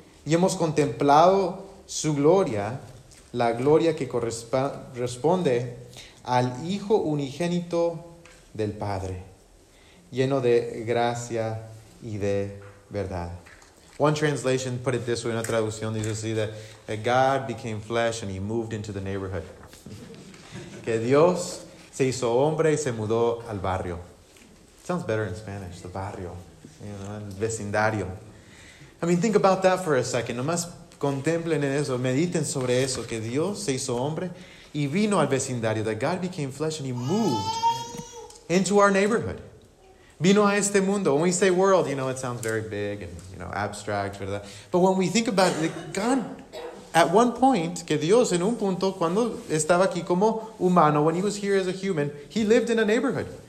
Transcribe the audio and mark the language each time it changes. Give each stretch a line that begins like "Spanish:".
Spanish: Y hemos contemplado su gloria, la gloria que corresponde al Hijo unigénito del Padre, lleno de gracia y de verdad.
English: One translation put it this way,
Spanish: una traducción dice así,
English: that God became flesh and he moved into the neighborhood.
Spanish: Que Dios se hizo hombre y se mudó al barrio.
English: Sounds better in Spanish, the barrio. Vecindario. I mean, think about that for a second.
Spanish: Nomás contemplen eso, mediten sobre eso, que Dios se hizo hombre y vino al vecindario.
English: That God became flesh and he moved into our neighborhood.
Spanish: Vino a este mundo.
English: When we say world, you know, it sounds very big and, you know, abstract, ¿verdad? But when we think about it, God, at one point,
Spanish: que Dios en un punto, cuando estaba aquí como humano,
English: when he was here as a human, he lived in a neighborhood.